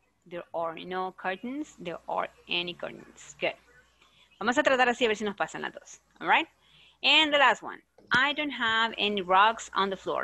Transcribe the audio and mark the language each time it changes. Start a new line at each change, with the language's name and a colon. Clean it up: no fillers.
English: There are no curtains, there are any curtains. Good.
Spanish: Vamos a tratar así a ver si nos pasan las dos.
English: All right? And the last one. I don't have any rugs on the floor.